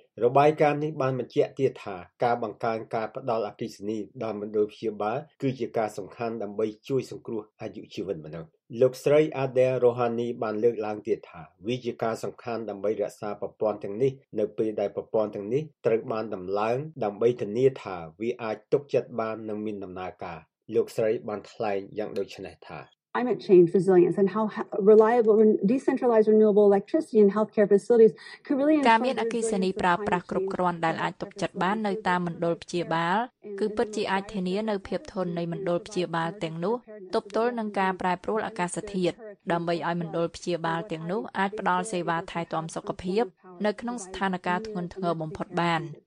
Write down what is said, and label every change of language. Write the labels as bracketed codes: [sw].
[km] របាយការណ៍នេះបានបញ្ជាក់ទៀតថាការបង្កើនការផ្ដល់អគ្គិសនីដល់មណ្ឌលព្យាបាលគឺជាការសំខាន់ដើម្បីជួយសង្គ្រោះអាយុជីវិតមនុស្សលោកស្រី Adair Rohani បានលើកឡើងទៀតថាវាជាការសំខាន់ដើម្បីរក្សាប្រព័ន្ធទាំងនេះនៅពេលដែលប្រព័ន្ធទាំងនេះត្រូវបានដំឡើងដើម្បីធានាថាវាអាចទុកចិត្តបាននិងមានដំណើរការលោកស្រីបានថ្លែងយ៉ាងដូចនេះថា [en] Climate change resilience and how reliable decentralized renewable electricity in healthcare facilities could really [km] ការមានអគ្គិសនីប្រើប្រាស់គ្រប់គ្រាន់ដែលអាចទុកចិត្តបាននៅតាមមណ្ឌលព្យាបាលគឺពិតជាអាចធានានៅភាពធន់នៃមណ្ឌលព្យាបាលទាំងនោះទប់ទល់នឹងការប្រែប្រួលអាកាសធាតុដើម្បីឲ្យមណ្ឌលព្យាបាលទាំងនោះអាចផ្តល់សេវាថែទាំសុខភាពនៅក្នុងស្ថានភាពធ្ងន់ធ្ងរបំផុតបាន